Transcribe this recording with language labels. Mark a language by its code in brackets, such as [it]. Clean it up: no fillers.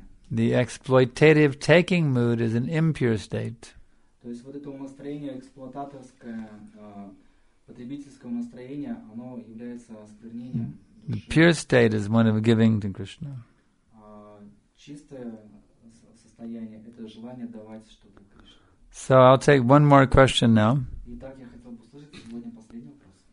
[en] The exploitative taking mood is an impure state. [ru] То есть вот это настроение эксплуататорское, потребительское настроение, оно является осквернением. [en] The pure state is one of giving to Krishna. [ru] Чистое состояние – это желание давать что-то Кришне. [en] So I'll take one more question now. [ru] Итак, я хотел бы услышать сегодня последний вопрос.